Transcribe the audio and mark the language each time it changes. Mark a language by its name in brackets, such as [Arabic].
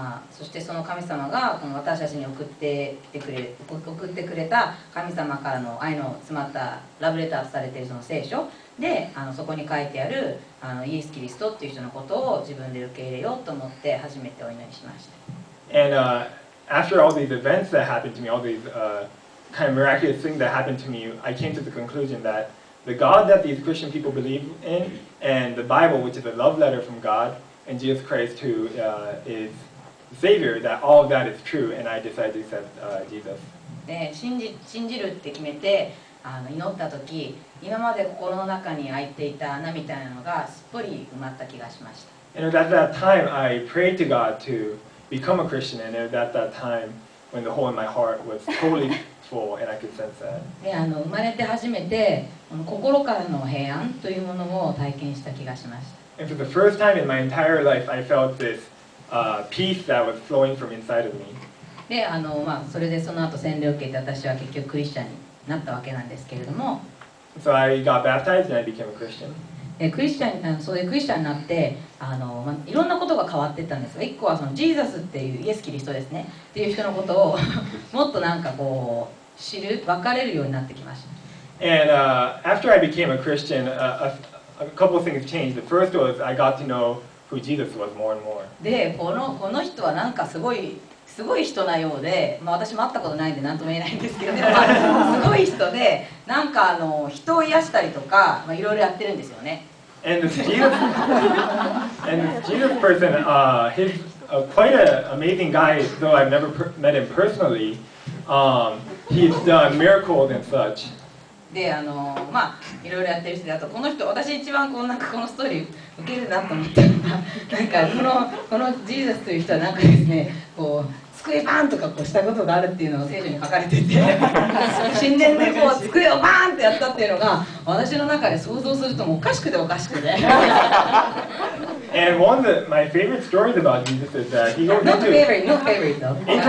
[Japanese] そしてその神様がこの私たちに送ってくれた神様からの愛の詰まったラブレターとされているその聖書で、そこに書いてあるイエス・キリストっていう人のことを自分で受け入れようと思って初めてお祈りしました。 [English] And、after all these events that happened to me, all these、kind of miraculous things that happened to me, I came to the conclusion that the God that these Christian people believe in and the Bible, which is a love letter from GodAnd Jesus Christ, who、is the Savior, that all of that is true, and I decided to accept、Jesus. [Japanese] で、信じるって決めて、祈った時、今まで心の中に空いていた穴みたいなのがすっぽり埋まった気がしました。 [English] And it was at that time I prayed to God to become a Christian, and it was at that time when the hole in my heart was totally full, and I could sense that. [Japanese] で、生まれて初めて、心からの平安というものを体験した気がしました。 [English] And for the first time in my entire life, I felt this、peace that was flowing from inside of me. [Japanese] で、まあ、それでその後洗礼を受けて、私は結局クリスチャンになったわけなんですけれども。 [English] So I got baptized and I became a Christian. [Japanese] で、クリスチャン、そういうクリスチャンになって、まあ、いろんなことが変わっていったんですが、一個はそのジーザスっていう、イエス・キリストですね、っていう人のことをもっとなんかこう、知る、分かれるようになってきました。 [English] And、after I became a Christian, A couple of things changed. The first was I got to know who Jesus was more and more. [Japanese] で、この人はなんかすごい人なようで、まあ、私も会ったことないんで何とも言えないんですけど、ね、まあ、すごい人で、なんか人を癒したりとか、まあ、いろいろやってるんですよね。 [English] And this Jesus person, he's quite an amazing guy, though I've never met him personally. He's done miracles and such. [Japanese] で、まあ、いろいろやってる人で、あとこの人、私一番 このストーリー受けるなと思ったのが、なんかこのジーザスという人はなんかですね、こう机バーンとかこうしたことがあるっていうのが聖書に書かれてて、神殿でこう机をバーンってやったっていうのが私の中で想像するともうおかしくて。 [English] And one of my favorite stories about Jesus is that he goes into...